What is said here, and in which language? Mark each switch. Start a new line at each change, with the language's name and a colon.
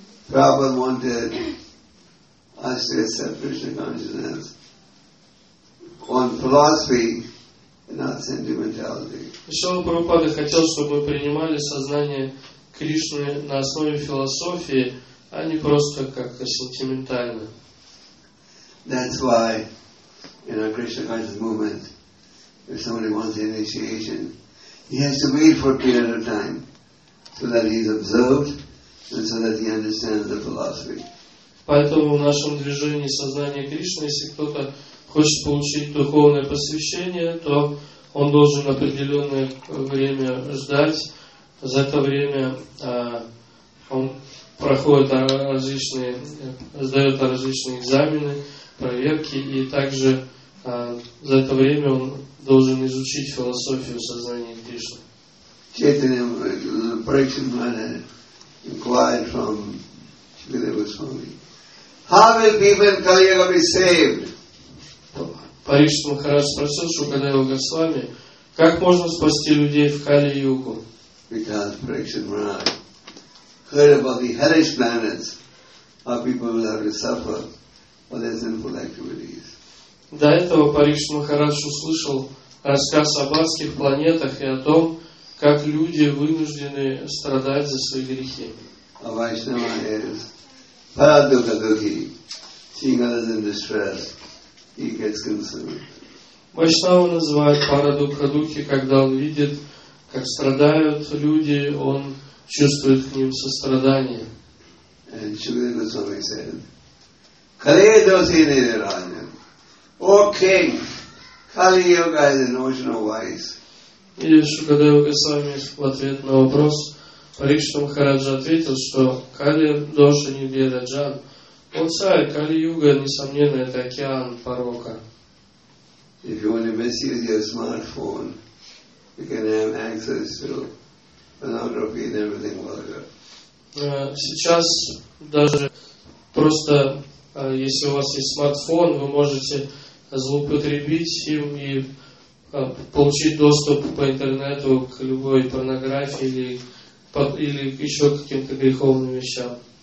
English: Prabhupada wanted us to accept Krishna consciousness on philosophy and not sentimentality.
Russian: Шрила Прабхупада хотел, чтобы мы принимали сознание Кришны на основе философии, а не просто как-то сентиментально.
English: That's why in our Krishna consciousness movement, if somebody wants initiation, he has to wait for a period of time so that he's observed and so that he understands the philosophy.
Russian: Поэтому в нашем движении сознания Кришны, если кто-то хочет получить духовное посвящение, то он должен определенное время ждать. За это время он проходит различные, сдает различные экзамены, проверки, и также за это время он должен изучить философию сознания Кришны.
English: Chaitanya Parikshita inquired from Shukadeva Goswami, how will people in Kali Yuga be saved?
Russian: Parikshita Maharaj спросил Шукадева Госвами, как можно спасти людей в Кали Югу?
English: Because Parikshita Maharaj heard about the hellish planets, how people will have to suffer for their sinful activities.
Russian: До этого Парикшит Махарадж услышал рассказ об адских планетах и о том, как люди вынуждены страдать за свои грехи. А Вайшнава is Парадхукадухи.
English: Seeing others in distress, he gets consumed.
Russian: Вайшнава называют Парадхукадухи, когда он видит, как страдают люди, он чувствует к ним сострадание.
English: And Шукадева Госвами said, Калейдоси Нидиранья. О, King, Kali Yuga is an ocean of vice.
Russian: И Шукадева Госвами в ответ на вопрос Парикшита Махараджа ответил, что Кали Доша Нидера Джан. О, царь, Кали Юга, несомненно, это океан порока.
English: If you only message your smartphone, you can have access to pornography and everything vulgar.
Russian: Сейчас даже просто если у вас есть смартфон, вы можете злоупотребить им и получить доступ по интернету к любой порнографии или еще к каким-то греховным вещам.